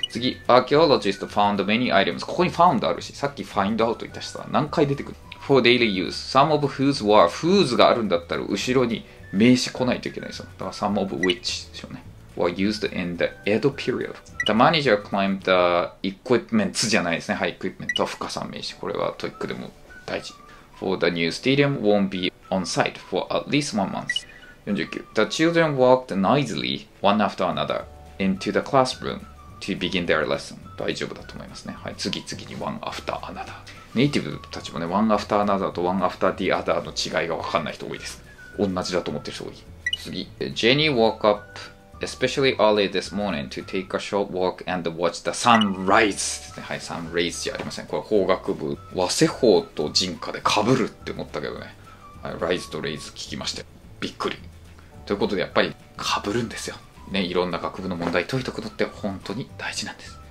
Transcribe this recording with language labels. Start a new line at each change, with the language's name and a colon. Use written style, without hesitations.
English: 次、archaeologist found many items.
Japanese: ここに found あるし、さっき find out 言ったしさ、何回出てくる
English: ?For daily use, some of whose were, whose
Japanese: があるんだったら後ろに名詞来ないといけないですよ。だから
English: some of which
Japanese: でしょうね。
English: Were used in the Edo period. The manager claimed the equipment
Japanese: じゃないですね。はい、equipment は深さ名詞。これはトイックでも大事。
English: For the new stadium won't be on site for at least 1 month. 49. The children walked noisily one after another into the classroom to begin their lesson.
Japanese: 大丈夫だと思いますね。はい、次々に one after another。ネイティブたちもね、one after another と one after the other の違いが分かんない人多いです。同じだと思ってる人多い。
English: 次、Jenny woke up. Especially early this morning to take a short walk and watch the sunrise.
Japanese: はい、sunrise じゃありません。これ法学部、和製法と人科で被るって思ったけどね。はい、rise と raise 聞きましたよ。びっくり。ということでやっぱり被るんですよ。ね、いろんな学部の問題解いておくのって本当に大事なんです。